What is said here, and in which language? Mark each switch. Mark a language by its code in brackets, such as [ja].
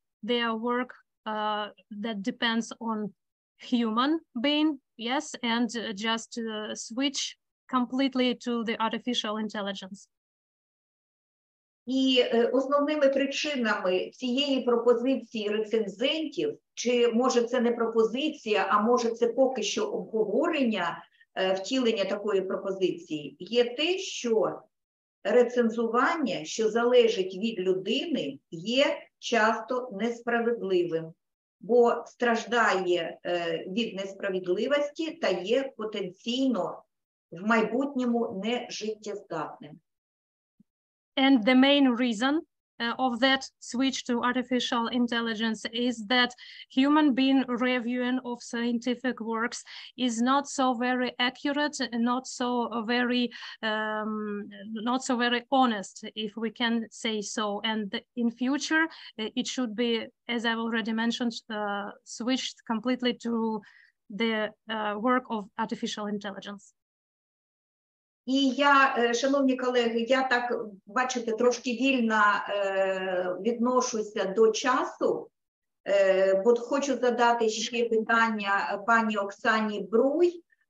[en] their work that depends on human being, yes, and just switch completely to the artificial intelligence. [uk] І основними причинами цієї пропозиції рецензентів, чи може це не пропозиція, а може це поки що обговорення, втілення такої пропозиції, є те, що рецензування, що залежить від людини, є часто несправедливим, бо страждає від несправедливості та є потенційно в майбутньому не життєздатним. [en] And the main reason of that switch to artificial intelligence is that human being reviewing of scientific works is not so very accurate, not so very honest, if we can say so. And in future, it should be, as I've already mentioned, switched completely to the work of artificial intelligence. [uk] І я, шановні колеги, я так, бачите, трошки вільно відношуся до часу, бо хочу задати ще питання пані Оксані Бруй.